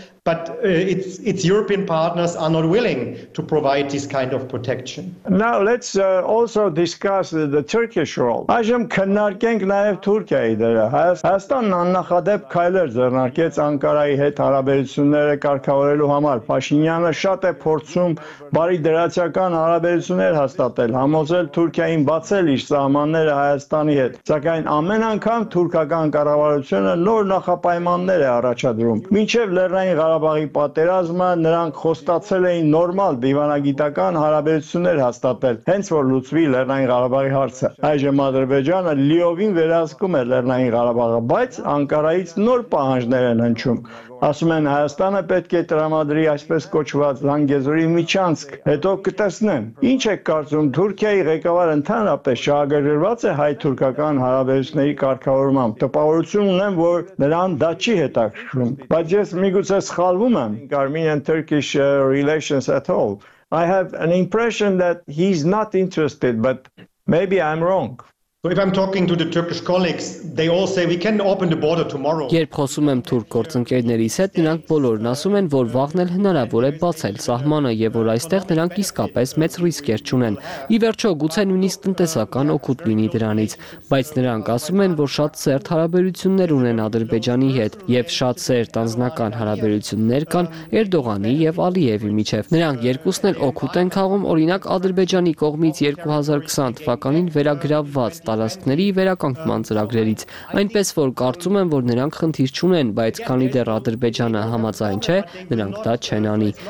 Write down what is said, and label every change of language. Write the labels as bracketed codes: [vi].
[en] But its European partners are not willing to provide this kind of protection. Now let's also discuss the Turkish role. [hy] Այժմ քննարկենք նաև Թուրքիայի դերը։ Հայաստանն աննախադեպ քայլեր ձեռնարկեց Անկարայի հետ հարաբերությունները կարգավորելու համար։ Փաշինյանը շատ է փորձում բարի դրացական հարաբերություններ հաստատել, համոզել Թուրքիային բացել իր սահմանները Հայաստանի հետ։ Սակայն ամեն անգամ թուրքական կառավարությունը նոր նախապայմաններ է առաջադրում։ Մինչև Լեռնային Ղարաբաղի պատերազմը նրանք խոստացել էին նորմալ դիվանագիտական հարաբերություններ հաստատել, հենց որ լուծվի Լեռնային Ղարաբաղի հարցը։ Այժմ Ադրբեջանը լիովին վերահսկում է Լեռնային Ղարաբաղը, բայց Անկարայից նոր պահանջներ են հնչում։ Ասում են, Հայաստանը պետք է տրամադրի այսպես կոչված Լանգեզուրի միջանցք, հետո կտեսնեն։ Ինչ եք կարծում, Թուրքիայի ղեկավարը ընդհանրապես շահագրգռված է հայ-թուրքական հարաբերությունների կարգավորմամբ։ Տպավորություն ունեմ, որ նրան դա չի հետաքրքրում։ Բայց ես միգուցե սխալվում եմ։ [en] Armenian-Turkish relations at all. I have an impression that he's not interested, but maybe I'm wrong. So if I'm talking to the Turkish colleagues, they all say we can open the border tomorrow. [hy] Երբ խոսում եմ թուրք գործընկերներիս հետ, նրանք բոլորն ասում են, որ վաղն էլ հնարավոր է բացել սահմանը եւ որ այստեղ նրանք իսկապես մեծ ռիսկեր չունեն։ Ի վերջո գուցե նույնիսկ տնտեսական օգուտ լինի դրանից, բայց նրանք ասում են, որ շատ սերտ հարաբերություններ ունեն Ադրբեջանի հետ եւ շատ սերտ անձնական հարաբերություններ կան Էրդողանի եւ Ալիևի միջեւ։ Նրանք երկուսն էլ օգուտ են քաղում, օրինակ Ադրբեջանի կողմից 2020 թվականին վերագրաված տարածքների վերականգնման ծրագրերից, այնպես որ կարծում եմ, որ նրանք խնդիր չունեն, բայց քանի դեռ Ադրբեջանը համաձայն չէ, նրանք դա չեն անի։